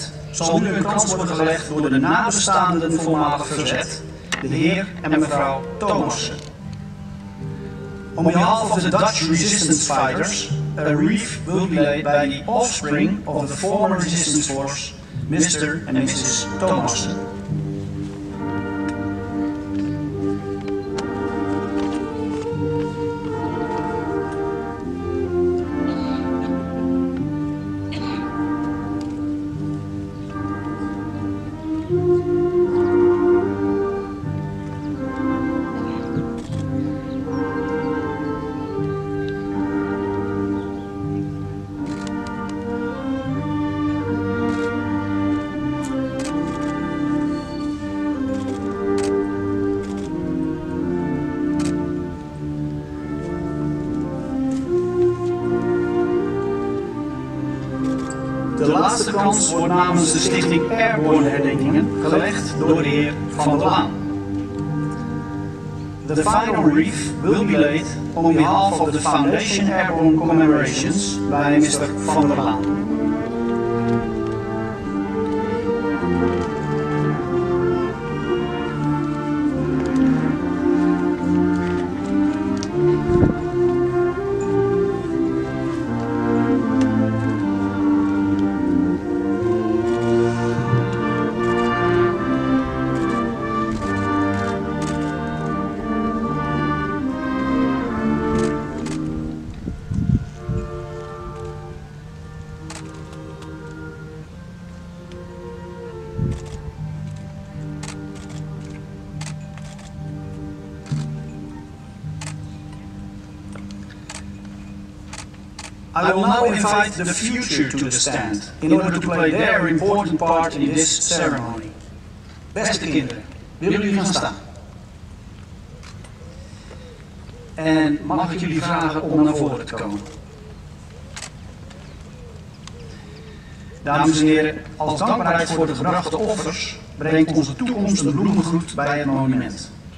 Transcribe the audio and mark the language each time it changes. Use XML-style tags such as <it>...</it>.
<nl>Zal nu een krans worden gelegd door de nabestaanden voormalig verzet, de heer en mevrouw Thomassen.</nl> <en>On behalf of the Dutch resistance fighters, a wreath will be laid by the offspring of the former resistance force, Mr. and Mrs. Thomassen.</en> <nl>De krans wordt namens de Stichting Airborne Herdenkingen gelegd door de heer Van der Laan.</nl> <en>The final wreath will be laid on behalf of the Foundation Airborne Commemorations by Mr. Van der Laan. I will now invite the future to the stand in order to play their important part in this ceremony.</en> <nl>Beste kinderen, willen jullie gaan staan? En mag ik jullie vragen om naar voren te komen? Dames en heren, als dankbaarheid voor de gebrachte offers brengt onze toekomst een bloemengroet bij het monument.</nl>